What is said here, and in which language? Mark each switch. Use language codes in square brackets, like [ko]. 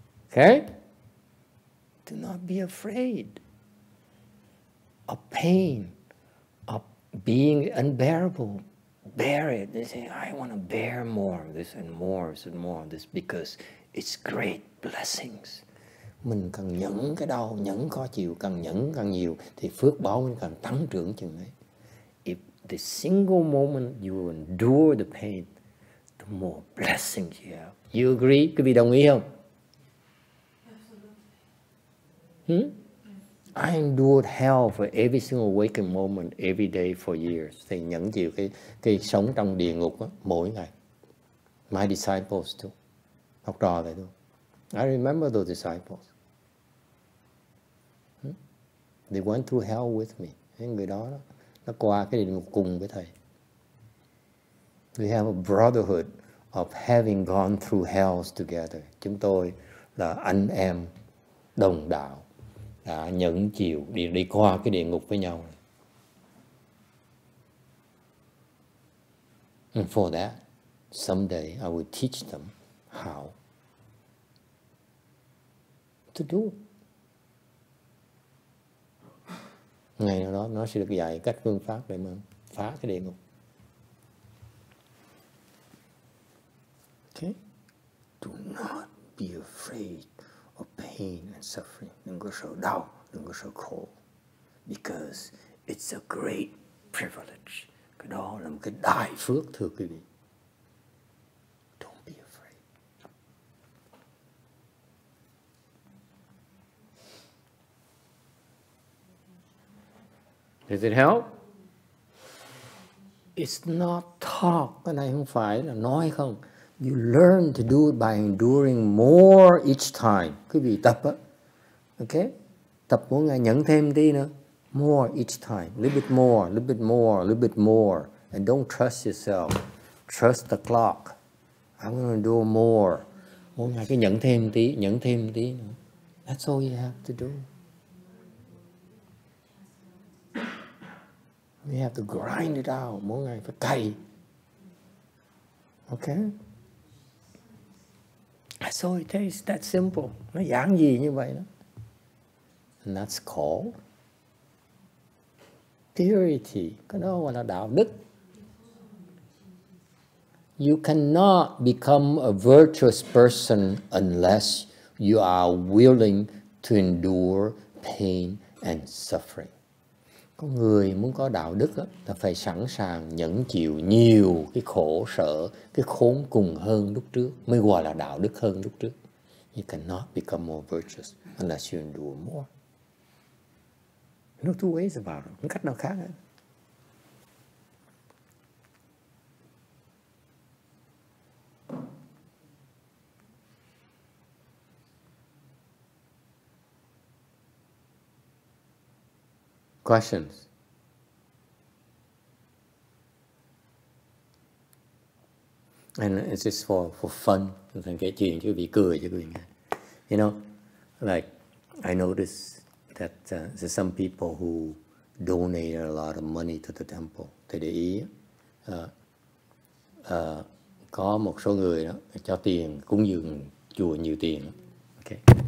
[en] Okay? Do not be afraid of pain, of being unbearable. Bear it. They say, I want to bear more of this and more of this and more of this because it's great blessings. [vi] Mình cần nhẫn cái đau, nhẫn khó chịu, càng nhẫn càng nhiều thì phước báo mình càng tăng trưởng chừng ấy. [en] If the single moment you endure the pain, the more blessings you have. You agree? [vi] Quý vị đồng ý không? [en] I endured hell for every single waking moment, every day for years. [vi] Thì nhẫn chịu cái sống trong địa ngục đó, mỗi ngày. [en] My disciples too. [vi] Học trò vậy thôi. [en] I remember those disciples. They went through hell with me. [vi] Thế người đó, nó qua cái địa ngục cùng với thầy. [en] We have a brotherhood of having gone through hells together. [vi] Chúng tôi là anh em đồng đạo đã nhẫn chịu đi qua cái địa ngục với nhau. [en] And for that, someday I will teach them how to do. [vi] Ngày nào đó nó sẽ được dạy cách phương pháp để mà phá cái địa ngục. [en] Okay. Do not be afraid of pain and suffering. [vi] Đừng có sợ đau, đừng có sợ khổ. [en] Because it's a great privilege. [vi] Cái đó là một cái đại phước thưa quý vị. [en] Does it help? It's not talk. [vi] Cái này không phải là nói không. [en] You learn to do it by enduring more each time. [vi] Quý vị tập á. Okay? Tập mỗi ngày nhẫn thêm đi nữa. [en] More each time. A little bit more, a little bit more, a little bit more. And don't trust yourself. Trust the clock. I'm going to do more. [vi] Mỗi ngày cứ nhẫn thêm tí, nhẫn thêm tí nữa. [en] That's all you have to do. We have to grind it out. [vi] Mỗi ngày phải cày. [en] Okay? That's all it takes. That simple. [vi] Nó giản gì như vậy đó. [en] And that's called purity. [vi] Cái đó gọi là đạo đức. [en] You cannot become a virtuous person unless you are willing to endure pain and suffering. [vi] Có người muốn có đạo đức đó, là phải sẵn sàng nhẫn chịu nhiều cái khổ sở, cái khốn cùng hơn lúc trước mới gọi là đạo đức hơn lúc trước. [en] You cannot become more virtuous unless you endure more. No two ways about it. [vi] Không cách nào khác hết. [en] Questions. And it's just for fun. [vi] Thành cái chuyện chứ bị cười chứ quý vị. [en] You know, like I noticed that there's some people who donate a lot of money to the temple. [vi] Thì để ý có một số người đó cho tiền cúng dường chùa nhiều tiền. Okay.